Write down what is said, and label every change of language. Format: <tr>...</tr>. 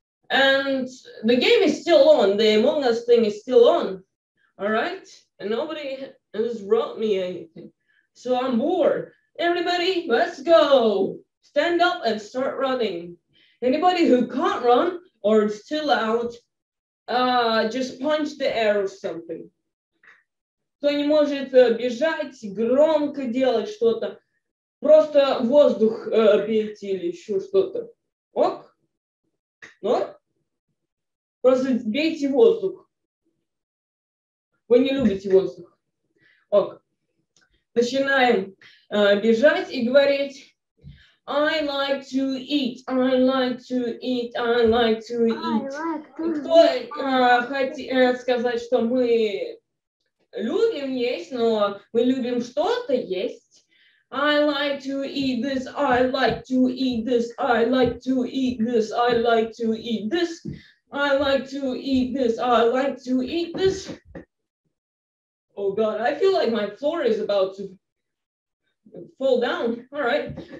<en>And the game is still on. The Among Us thing is still on. All right? And nobody has wrote me anything. So I'm bored. Everybody, let's go. Stand up and start running. Anybody who can't run or is still out, just punch the air or something.</en> <ru>Кто не может бежать, громко делать что-то. Просто воздух бить или еще что-то. Ок? Ну? Просто бейте воздух. Вы не любите воздух. Ок. Начинаем бежать и говорить.</ru> <en>I like to eat. I like to eat. I like to eat.</en> <ru>Кто хочет сказать, что мы любим есть, но мы любим что-то есть.</ru> <en>I like to eat this, I like to eat this, I like to eat this, I like to eat this, I like to eat this, I like to eat this. Oh God, I feel like my floor is about to fall down. All right.</en>